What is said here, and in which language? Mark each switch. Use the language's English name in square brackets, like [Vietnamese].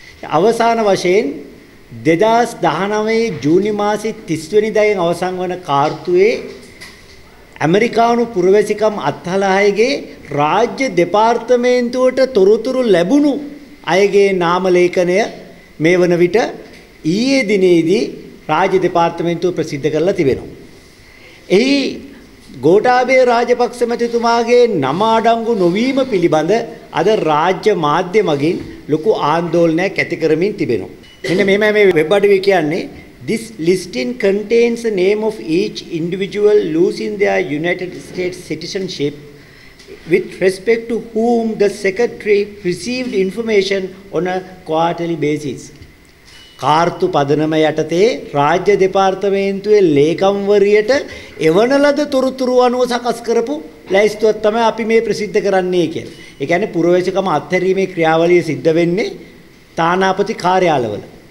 [Sinhala] අවසාන වශයෙන් 2019 ජූනි මාසයේ 30 වෙනිදායින් අවසන් වන කාර්තුවේ ඇමරිකානු පුරවැසිකම් අත්හලහයගේ රාජ්‍ය දෙපාර්තමේන්තුවට තොරතුරු ලැබුණු අයගේ නාමලේඛනය මේ වන විට ඊයේ දිනේදී රාජ්‍ය දෙපාර්තමේන්තුව ප්‍රසිද්ධ කරලා තිබෙනවා. එහි ගෝඨාභය රාජපක්ෂ මැතිතුමාගේ නම අඩංගු නොවීම පිළිබඳ අද රාජ්‍ය මාධ්‍ය මගින් ලොකු ආන්දෝලනයක් ඇති කරමින් තිබෙනවා. මෙන්න මේමයි මේ වෙබ් අඩවිය කියන්නේ. [English] This listing contains the name of each individual losing their United States citizenship with respect to whom the secretary received information on a quarterly basis. [Sinhala] කාර්තු පදනම යටතේ රාජ්‍ය දෙපාර්තමේන්තුවේ ලේකම්වරියට එවන ලද තොරතුරු අනුව සකස් කරපු ලැයිස්තුවක් තමයි අපි මේ ප්‍රසිද්ධ කරන්නේ කියලා. ඒ කියන්නේ පුරවැසිකම අත්හැරීමේ ක්‍රියාවලිය සිද්ධ වෙන්නේ තානාපති කාර්යාලවල.